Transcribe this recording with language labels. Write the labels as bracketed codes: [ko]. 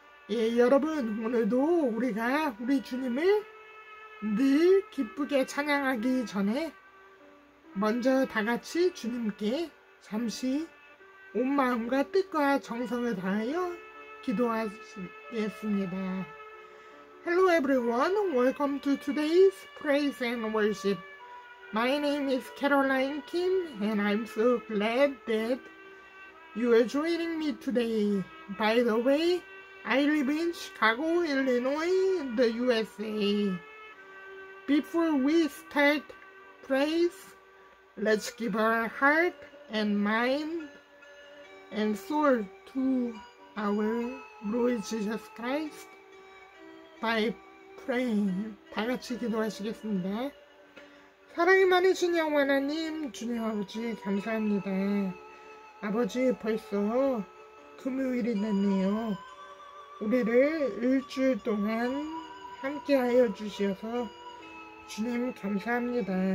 [ko] 예, 여러분 오늘도 우리가 우리 주님을 늘 기쁘게 찬양하기 전에 먼저 다같이 주님께 잠시 온 마음과 뜻과 정성을 다하여 기도하겠습니다. [en] Hello everyone, welcome to today's praise and worship. My name is Caroline Kim and I'm so glad that you are joining me today. By the way, I live in Chicago, Illinois, in the USA. Before we start praise, let's give our heart and mind and soul to our Lord Jesus Christ by praying. [ko] 다 같이 기도하시겠습니다. 사랑이 많으신 영원 하나님, 주님 아버지 감사합니다. 아버지 벌써 금요일이 됐네요. 우리를 일주일 동안 함께하여 주셔서 주님 감사합니다.